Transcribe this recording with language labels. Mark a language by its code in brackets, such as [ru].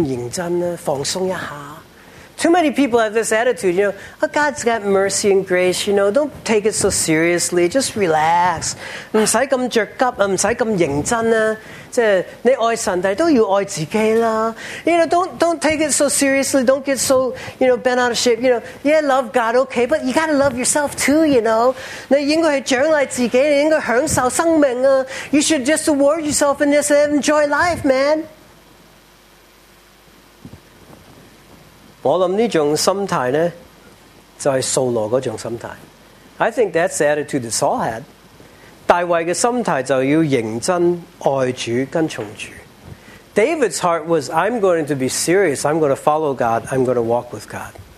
[en] Too many people have this attitude, you know, oh, God's got mercy and grace, you know, don't take it so seriously, just relax. [zh] 不用这么紧张,不用这么认真,你爱神,但都要爱自己啦。 [en] You know, don't take it so seriously, don't get so, you know, bent out of shape, you know, yeah, love God, okay, but you gotta love yourself too, you know. [zh] 你应该是奖励自己,你应该享受生命啊。 [en] You should just reward yourself and just enjoy life, man. [zh] 我想这种心态呢,就是扫罗那种心态。 [en] I think that's the attitude that Saul had. [zh] 大卫的心态就要认真爱主跟从主。 [en] David's heart was, I'm going to be serious, I'm going to follow God, I'm going to walk with God.